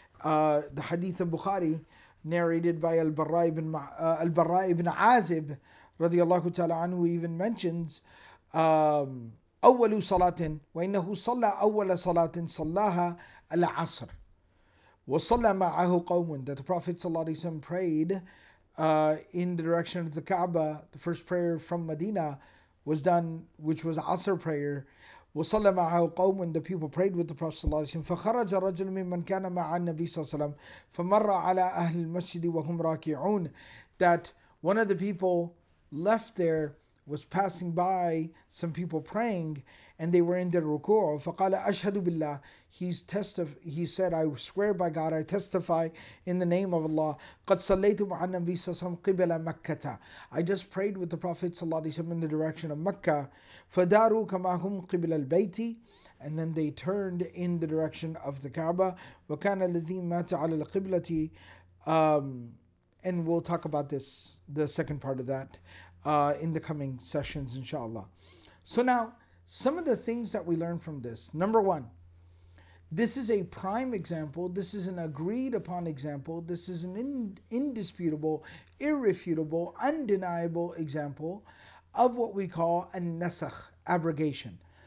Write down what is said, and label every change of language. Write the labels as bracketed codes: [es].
[en] The hadith of Bukhari, narrated by Al-Barra ibn Azib, radiyallahu ta'ala anhu, even mentions, [ar] أول صلاة وإنه صلى أول صلاة صلاها العصر وصلى معه قوم. [en] That the Prophet sallallahu alayhi wa sallam prayed in the direction of the Kaaba. The first prayer from Medina was done, which was Asr prayer. [ar] وصلى معه قوم, [en] and the people prayed with the Prophet صلى الله عليه وسلم. [ar] فخرج رجل ممن كان مع النبي صلى الله عليه وسلم فمر على أهل المسجد وهم راكعون. [en] That one of the people left there, was passing by some people praying, and they were in their ruku'. [ar] فقال أشهد بالله. [en] He said, I swear by God, I testify in the name of Allah. [ar] قد صليت مع النبي صلى الله عليه وسلم قبل مكة. [en] I just prayed with the Prophet صلى الله عليه وسلم in the direction of Mecca. [ar] فداروا كما هم قبل البيت. [en] And then they turned in the direction of the Kaaba. [ar] وكان الذي مات على القبلة. [en] And we'll talk about this, the second part of that, in the coming sessions, inshallah. So now, some of the things that we learn from this. Number one, this is a prime example. This is an agreed upon example. This is an indisputable, irrefutable, undeniable example of what we call a nasakh, abrogation.